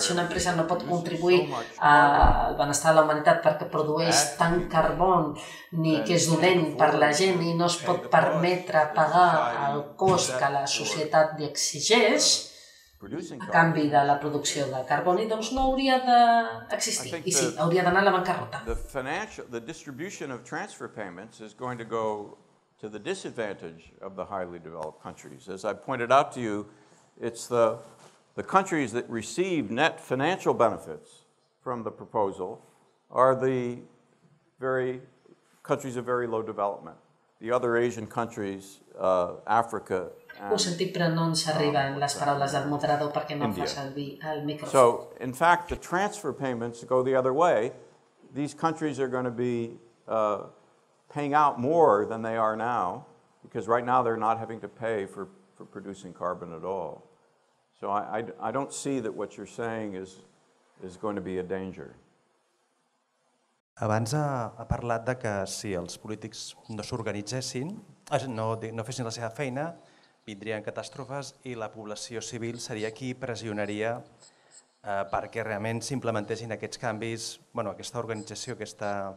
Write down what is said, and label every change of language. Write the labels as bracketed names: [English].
[Catalan] Si una empresa no pot contribuir al benestar de la humanitat perquè produeix tant carbó ni que és dolent per la gent i no es pot permetre pagar el cost que la societat li exigeix, a canvi de la producció de carboni, doncs no hauria d'existir. I sí, hauria d'anar a la bancarrota. [English] The distribution of transfer payments is going to go to the disadvantage of the highly developed countries. As I pointed out to you, it's the countries that receive net financial benefits from the proposal are the very countries of very low development. The other Asian countries, Africa, [Catalan] ho sentit, però no ens arriben les paraules del moderador perquè no fa servir el micròfon. [English] So, in fact, the transfer payments go the other way. These countries are going to be paying out more than they are now, because right now they're not having to pay for producing carbon at all. So I don't see that what you're saying is going to be a danger. [Catalan] Abans ha parlat de que si els polítics no s'organitzessin, no fessin la seva feina, vindrien catàstrofes i la població civil seria qui pressionaria perquè realment s'implementessin aquests canvis, bueno, aquesta organització, aquesta...